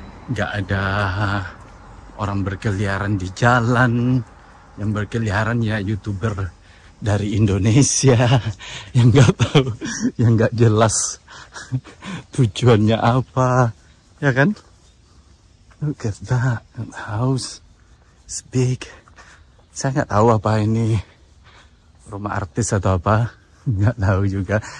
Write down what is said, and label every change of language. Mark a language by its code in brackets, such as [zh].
[id] Gak ada orang berkeliaran di jalan, yang berkeliaran ya YouTuber dari Indonesia yang gak tahu, yang gak jelas tujuannya apa, ya kan? [en] Look at that, that house, it's big. [id] Saya gak tahu apa ini, rumah artis atau apa, gak tahu juga.